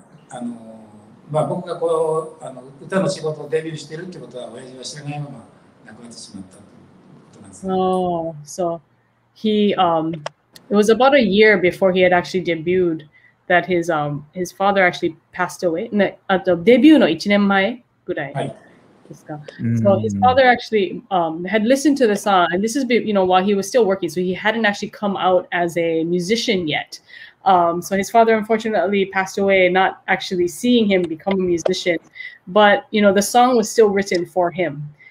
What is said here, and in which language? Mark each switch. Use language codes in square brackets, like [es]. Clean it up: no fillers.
[ja] あのまあ、僕がこうあの歌の仕事をデビューしてるってことは親父は知らないまま亡くなってしまったということなんですね。 [en] So he, it was about a year before he had actually debuted that his father actually passed away. [ja] デビューの1年前ぐらい。はい。 [en] So his father actually had listened to the song, and this is you know while he was still working, so he hadn't actually come out as a musician yet. So his father unfortunately passed away, not actually seeing him become a musician, but you know the song was still written for him.